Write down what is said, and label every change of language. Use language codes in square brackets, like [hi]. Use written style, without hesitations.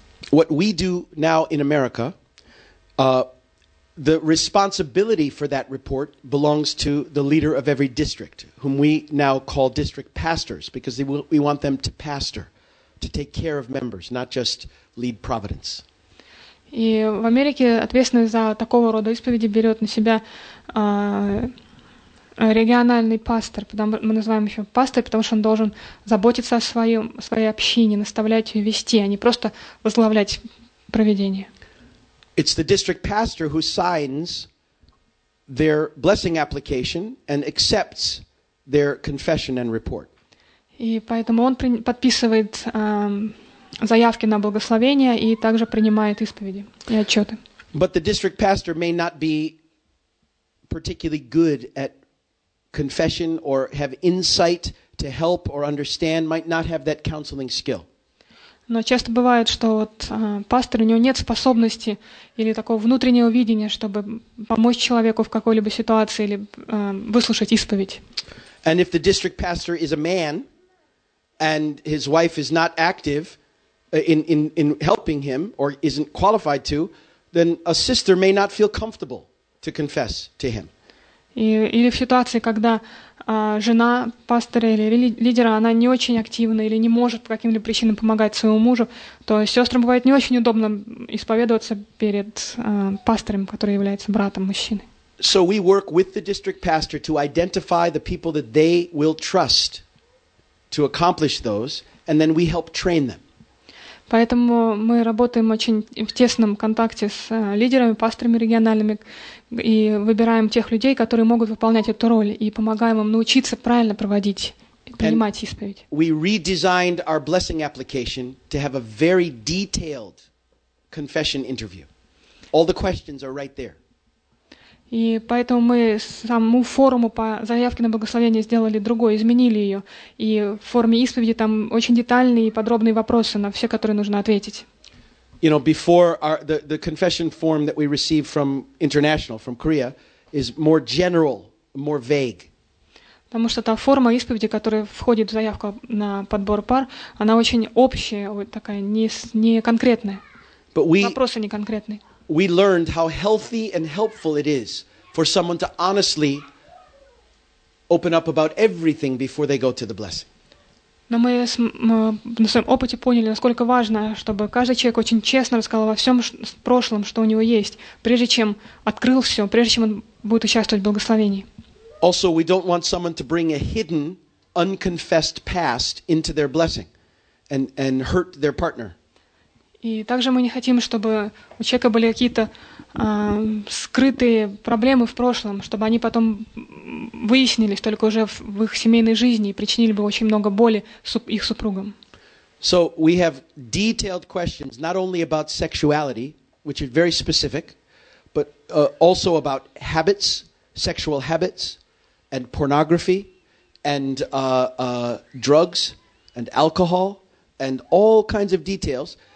[en] What we do now in America, the responsibility for that report belongs to the leader of every district, whom we now call district pastors, because we want them to pastor, to take care of members, not just lead providence. [ru] И в Америке ответственность за такого рода исповеди берет на себя региональный пастор, мы называем еще пастор, потому что он должен заботиться о своей общине, наставлять ее, вести, а не просто возглавлять проведение. [en] It's the district pastor who signs their blessing application and accepts their confession and report. [ru] И поэтому он подписывает заявки на благословение и также принимает исповеди и отчеты. [en] But the district pastor may not be particularly good at confession or have insight to help or understand, might not have that counseling skill. [ru] Но часто бывает, что вот пастор, у него нет способности или такого внутреннего видения, чтобы помочь человеку в какой-либо ситуации или выслушать исповедь. [en] And if the district pastor is a man and his wife is not active in helping him or isn't qualified to, then a sister may not feel comfortable to confess to him. [ru] Или в ситуации, когда жена пастора или лидера, она не очень активна или не может по каким-либо причинам помогать своему мужу, то сестрам бывает не очень удобно исповедоваться перед пастором, который является братом мужчины. [en] So we work with the district pastor to identify the people that they will trust to accomplish those, and then we help train them. [ru] Поэтому мы работаем очень в тесном контакте с лидерами, пасторами региональными и выбираем тех людей, которые могут выполнять эту роль и помогаем им научиться правильно принимать исповедь. [en] We redesigned our blessing application to have a very detailed confession interview. All the questions are right there. [ru] И поэтому мы саму форму по заявке на благословение сделали другой, изменили ее. И в форме исповеди там очень детальные и подробные вопросы на все, которые нужно ответить. [en] You know, before our, the confession form that we received from international, from Korea, is more general, more vague. [ru] Потому что та форма исповеди, которая входит в заявку на подбор пар, она очень общая, вот такая не конкретная. [en] But we, [ru] вопросы не конкретные. [en] We learned how healthy and helpful it is for someone to honestly open up about everything before they go to the blessing. [ru] Но мы на своем опыте поняли, насколько важно, чтобы каждый человек очень честно рассказал во всем прошлом, что у него есть, прежде чем открыл все, прежде чем он будет участвовать в благословении. [en] Also, we don't want someone to bring a hidden, unconfessed past into their blessing and hurt their partner. [ru] И также мы не хотим, чтобы у человека были какие-то скрытые проблемы в прошлом, чтобы они потом выяснились только уже в их семейной жизни и причинили бы очень много боли их супругам. [en] So we have detailed questions not only about sexuality, which is very specific, but also about habits, sexual habits, and pornography, and drugs, and alcohol, and all kinds of details.